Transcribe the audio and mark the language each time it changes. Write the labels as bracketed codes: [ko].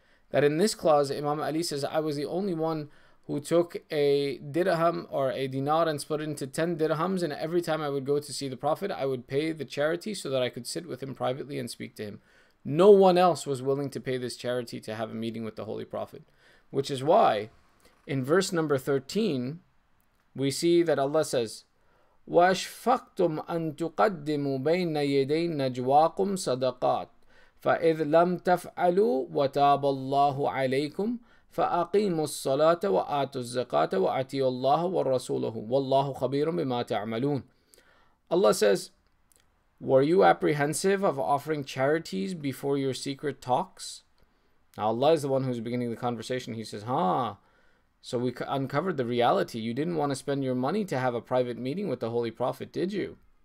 [en] That in this clause, Imam Ali says, I was the only one who took a dirham or a dinar and split it into 10 dirhams. And every time I would go to see the Prophet, I would pay the charity so that I could sit with him privately and speak to him. No one else was willing to pay this charity to have a meeting with the Holy Prophet. Which is why, in verse number 13, we see that Allah says, [ar] وَأَشْفَقْتُمْ أَن تُقَدِّمُوا بَيْنَ يَدَيْ نَجْوَاكُمْ صَدَقَاتٍ فَإِذْ لَمْ تَفْعَلُوا وَتَابَ اللَّهُ عَلَيْكُمْ فَأَقِيمُوا الصَّلَاةَ وَآتُوا الزَّكَاةَ وَأَتِيُوا اللَّهَ وَالرَّسُولَهُ وَاللَّهُ خَبِيرٌ بِمَا تَعْمَلُونَ. [en] Allah says, were you apprehensive of offering charities before your secret talks? Now Allah is the one who's beginning the conversation. He says, so we uncovered the reality. You didn't want to spend your money to have a private meeting with the Holy Prophet, did you?